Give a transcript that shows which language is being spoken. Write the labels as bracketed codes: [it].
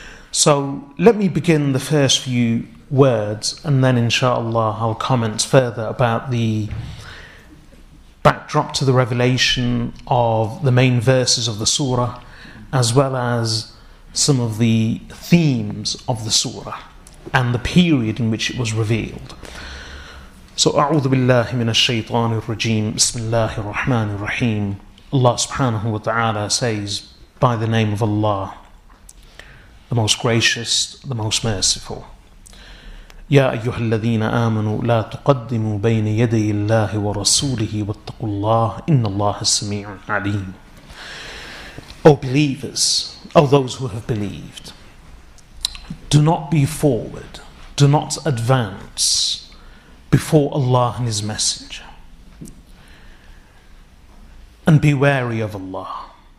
[en] So, let me begin the first few words, and then inshallah I'll comment further about the backdrop to the revelation of the main verses of the surah, as well as some of the themes of the surah and the period in which it was revealed. [ar] So, أعوذ بالله من الشيطان الرجيم بسم الله الرحمن الرحيم. [en] Allah subhanahu wa ta'ala says, by the name of Allah, the most gracious, the most merciful. [ar] يا أيها الذين آمنوا لا تقدموا بين يدي الله ورسوله واتقوا الله إن الله السميع العليم. [en] O believers, O those who have believed, do not be forward, do not advance before Allah and His Messenger. And be wary of Allah.